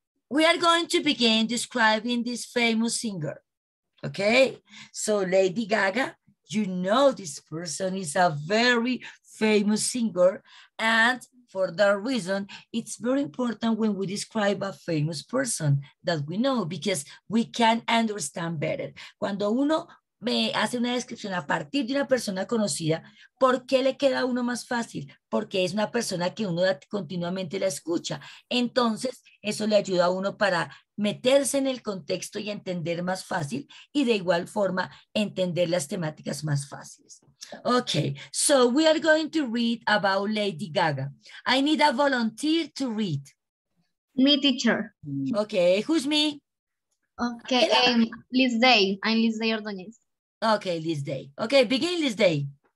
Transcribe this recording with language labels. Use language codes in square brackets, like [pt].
[en] We are going to begin describing this famous singer, okay? So Lady Gaga, you know this person is a very famous singer, and for that reason, it's very important when we describe a famous person that we know, because we can understand better. [es] Cuando uno me hace una descripción a partir de una persona conocida, ¿por qué le queda a uno más fácil? Porque es una persona que uno continuamente la escucha. Entonces, eso le ayuda a uno para meterse en el contexto y entender más fácil, y de igual forma entender las temáticas más fáciles. [en] Okay, so we are going to read about Lady Gaga. I need a volunteer to read. Me, teacher. Okay, who's me? Okay, Liz Day. I'm Liz Day Ordonez. Okay, Liz Day. Okay, begin, Liz Day.